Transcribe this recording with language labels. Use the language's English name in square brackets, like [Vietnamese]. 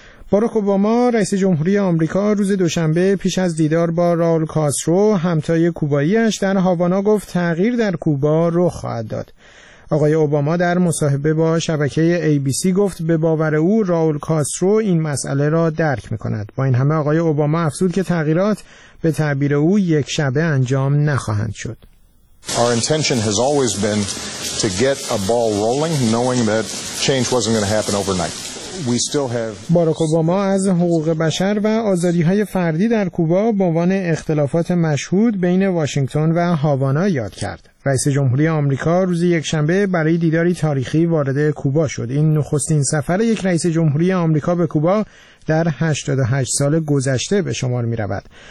[Persian] باراک اوباما رئیس جمهوری آمریکا روز دوشنبه پیش از دیدار با راول کاسترو همتای کوباییش در هاوانا گفت تغییر در کوبا رخ خواهد داد. آقای اوباما در مصاحبه با شبکه ABC گفت به باور او راول کاسترو این مسئله را درک می‌کند. با این همه آقای اوباما افزود که تغییرات به تعبیر او یک شبه انجام نخواهند شد. [English] Our intention has always been to get a ball rolling knowing that change wasn't going to happen overnight. [Persian] باراک اوباما از حقوق بشر و آزادی‌های فردی در کوبا به عنوان اختلافات مشهود بین واشنگتن و هاوانا یاد کرد. رئیس جمهوری آمریکا روز یکشنبه برای دیداری تاریخی وارد کوبا شد. این نخستین سفر یک رئیس جمهوری آمریکا به کوبا در 88 سال گذشته به شمار می‌رود.